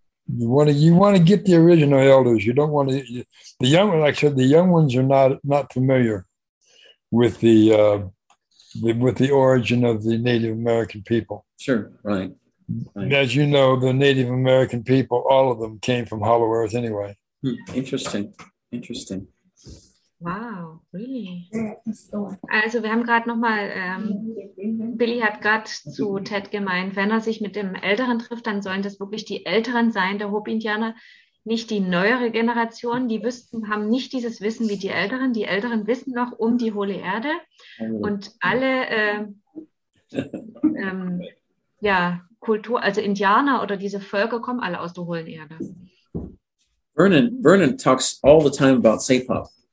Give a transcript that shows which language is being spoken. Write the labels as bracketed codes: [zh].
[en] You want to get the original elders. You don't want to... The young ones are not familiar with the... with the origin of the Native American people. Sure, right. As you know, the Native American people, all of them came from Hollow Earth anyway. Interesting. Wow, really? [de] Also wir haben gerade nochmal, Billy hat gerade zu Ted gemeint, wenn er sich mit dem Älteren trifft, dann sollen das wirklich die Älteren sein, der Hopi-Indianer, nicht die neuere Generation. Die haben nicht dieses Wissen wie die Älteren. Die Älteren wissen noch um die hohle Erde. Und alle Kultur, also Indianer oder diese Völker kommen alle aus der hohlen Erde. [en] Vernon talks all the time about Saipop.